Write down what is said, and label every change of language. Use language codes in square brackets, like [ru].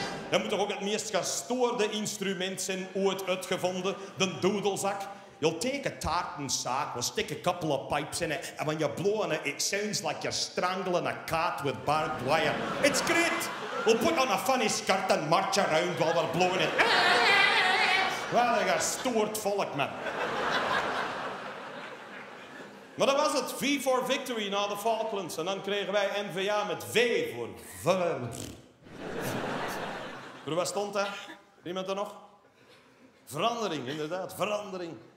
[nl] Dat moet toch ook het meest gestoorde instrument zijn ooit uitgevonden? De doedelzak. [en] You'll take a tartan sack, we'll stick a couple of pipes in it. And when you're blowing it, it sounds like you're strangling a cat with barbed wire. It's great. We'll put on a funny skirt and march around while we're blowing it. [nl] Wat een gestoord volk, man. Maar dat was het. V for Victory na de Falklands. En dan kregen wij N-VA met V voor... Maar wat stond dat? Niemand er nog? Verandering, inderdaad. Verandering.